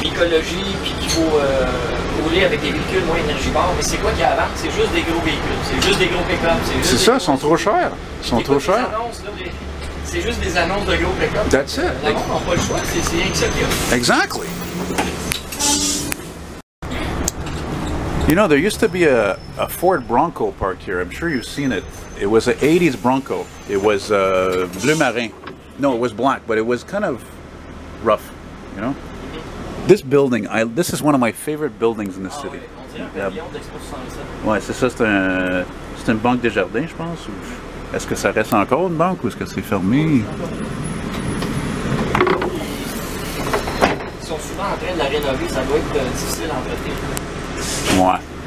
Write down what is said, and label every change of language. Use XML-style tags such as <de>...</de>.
<fr>l'écologie, puis qu'il faut rouler avec des véhicules moins énergivores, mais c'est quoi qu'il y a à vendre? C'est juste des gros véhicules, c'est juste des gros pick-up. C'est ça, ils sont trop chers. Ils sont trop chers. C'est juste des annonces de gros pick-up.</fr> <en>That's it.</en> <fr>Les gens n'ont pas le choix, c'est rien que ça qu'il y a.</fr> <en>Exactly. You know, there used to be a Ford Bronco parked here. I'm sure you've seen it. It was an 80s Bronco. It was</en> <fr>bleu marin.</fr> <en>No, it was black, but it was kind of rough, you know? This building, this is one of my favorite buildings in the city. Yeah.</en> <fr>Ouais, c'est ça, c'est une banque des jardins, je pense. Ou est-ce que ça reste encore une banque ou est-ce que c'est fermé? Ils sont souvent en train de la rénover, ça doit être difficile à entretenir. Ouais.</fr>